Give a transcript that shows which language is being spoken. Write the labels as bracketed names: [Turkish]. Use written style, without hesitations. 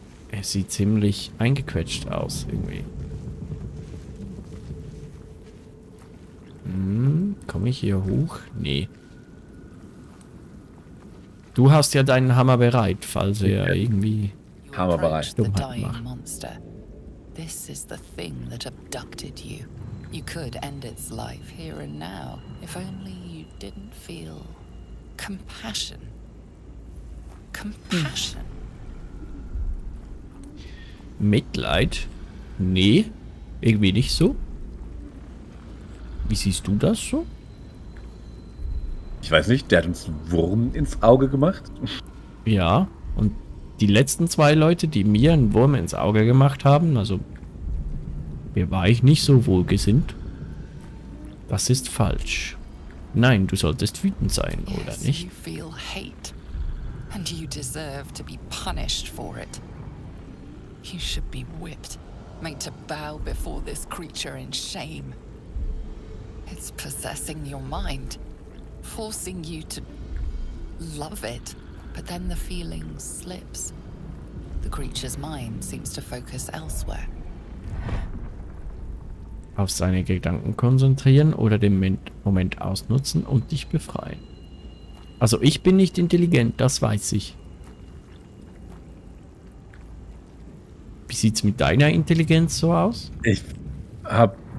[German] Er sieht ziemlich eingequetscht aus, irgendwie. Komme ich hier hoch? Nee. Du hast ja deinen Hammer bereit, falls er irgendwie Hammer bereit. Dummheit macht. [English] This is the thing that abducted you. You could end its life here and now, if only you didn't feel compassion. Compassion. [German] Mitleid? Nee, irgendwie nicht so. Wie siehst du das so? Ich weiß nicht, der hat uns einen Wurm ins Auge gemacht. Ja, und die letzten zwei Leute, die mir einen Wurm ins Auge gemacht haben, also mir war ich nicht so wohlgesinnt. Das ist falsch. Nein, du solltest wütend sein, oder nicht? Ja, du fühlst Hass. Und du [English] deserve to be punished for it. You should be whipped, made to bow before this creature in shame. It's possessing your mind, forcing you to love it. But then the feeling slips. The creature's mind seems to focus elsewhere. [German] Auf seine Gedanken konzentrieren oder den Moment ausnutzen und dich befreien. Also ich bin nicht intelligent, das weiß ich. Wie sieht's mit deiner Intelligenz so aus? Ich hab...